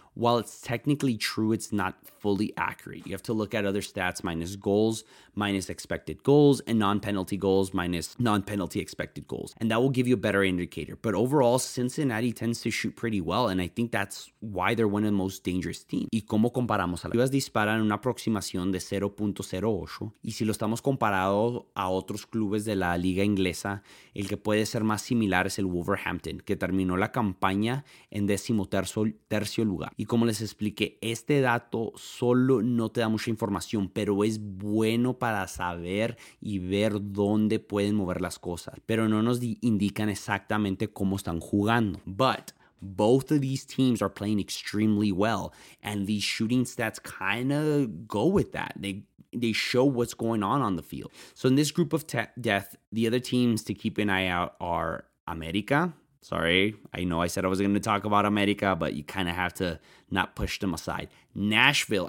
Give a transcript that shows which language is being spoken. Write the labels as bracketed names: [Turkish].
[English] While it's technically true, it's not fully accurate. You have to look at other stats minus goals, minus expected goals, and non-penalty goals minus non-penalty expected goals. And that will give you a better indicator. But overall, Cincinnati tends to shoot pretty well, and I think that's why they're one of the most dangerous teams. [Spanish] ¿Y cómo comparamos a las Chivas? Disparan una aproximación de 0.08. Y si lo estamos comparado a otros clubes de la liga inglesa, el que puede ser más similar es el Wolverhampton, que terminó la campaña en 13º lugar. Y como les expliqué, este dato solo no te da mucha información, pero es bueno para saber y ver dónde pueden mover las cosas. Pero no nos indican exactamente cómo están jugando. [English] But both of these teams are playing extremely well, and these shooting stats kind of go with that. They show what's going on the field. So in this group of death, the other teams to keep an eye out are América. Sorry, I know I said I was going to talk about America, but you kind of have to not push them aside. Nashville.